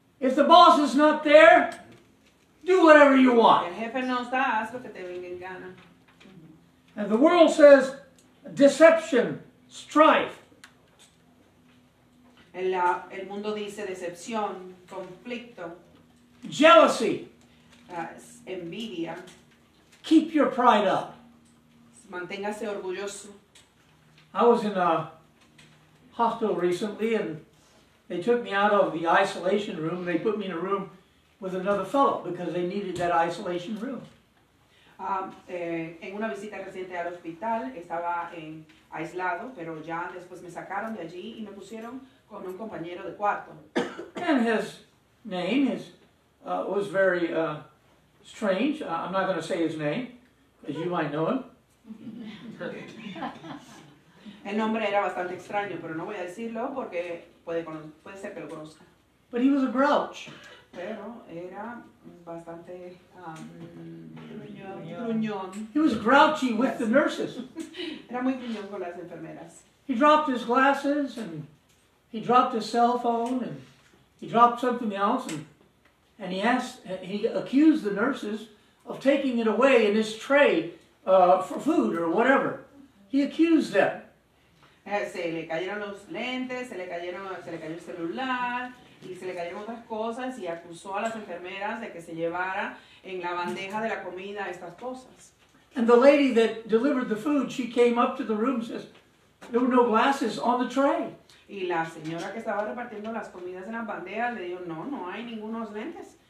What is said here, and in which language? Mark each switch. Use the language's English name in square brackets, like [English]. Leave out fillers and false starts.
[English] If the boss is not there, do whatever you want. [Spanish] El jefe no está, haz lo que te venga en gana. [English] And the world says, deception, strife. [Spanish] El mundo dice, decepción, conflicto. [English] Jealousy. [Spanish] Envidia. [English] Keep your pride up. [Spanish] Manténgase orgulloso. [English] I was in hospital recently, and they took me out of the isolation room. They put me in a room with another fellow because they needed that isolation room. [Spanish] En una visita reciente al hospital, estaba en aislado, pero ya después me sacaron de allí y me pusieron con un compañero de cuarto. [English] And his name was very strange. I'm not going to say his name, because you might know him. [Spanish] El nombre era bastante extraño, pero no voy a decirlo porque puede ser que lo conozca. [English] But he was a grouch. [Spanish] Pero era bastante gruñón. [English] He was grouchy with the nurses. [Spanish] Era muy gruñón con las enfermeras. [English] He dropped his glasses and he dropped his cell phone and he dropped something else and he accused the nurses of taking it away in his tray for food or whatever. He accused them. [Spanish] Se le cayeron los lentes, se le cayó el celular, y se le cayeron otras cosas, y acusó a las enfermeras de que se llevara en la bandeja de la comida estas cosas. [English] And the lady that delivered the food, she came up to the room and says, there were no glasses on the tray. [Spanish] Y la señora que estaba repartiendo las comidas en las bandejas le dijo, no, no hay ningunos lentes.